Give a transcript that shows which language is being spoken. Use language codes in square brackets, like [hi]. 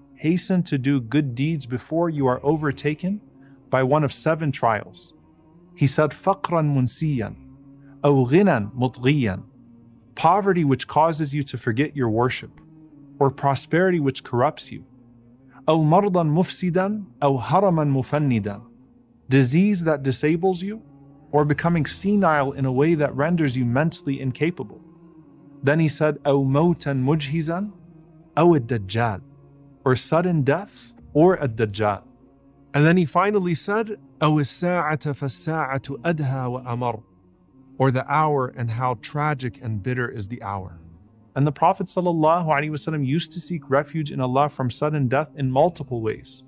[en] Hasten to do good deeds before you are overtaken by one of seven trials. He said, [ar] "Faqran munsiyan, aw ghinan mutghiyan." [en] Poverty which causes you to forget your worship, or prosperity which corrupts you. [ar] أو مرضاً مفسداً أو هرماً مفنداً. [en] Disease that disables you, or becoming senile in a way that renders you mentally incapable. Then he said, [ar] أو موتاً مجهزاً أو الدجال. [en] Or sudden death or a dajjal. And then he finally said, [ar] أو الساعة فالساعة أدهى وأمر. [en] Or the hour and how tragic and bitter is the hour. And the Prophet ﷺ used to seek refuge in Allah from sudden death in multiple ways.